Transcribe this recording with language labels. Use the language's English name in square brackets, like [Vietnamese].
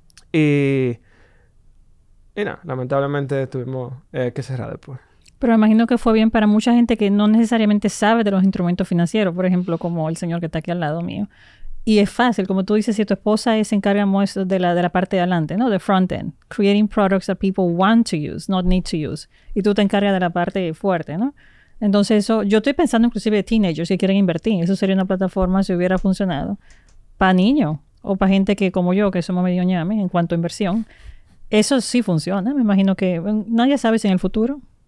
[Spanish] Y nada, lamentablemente tuvimos que cerrar después. Pero me imagino que fue bien para mucha gente que no necesariamente sabe de los instrumentos financieros, por ejemplo, como el señor que está aquí al lado mío. Y es fácil, como tú dices, si tu esposa se encarga de la parte de adelante, ¿no? De front end. [English] Creating products that people want to use, not need to use. [Spanish] Y tú te encargas de la parte fuerte, ¿no? Entonces, eso, yo estoy pensando inclusive de teenagers que quieren invertir. Eso sería una plataforma, si hubiera funcionado, para niños o para gente que, como yo, que somos medio ñame en cuanto a inversión. Eso sí funciona. Me imagino que nadie sabe si en el futuro.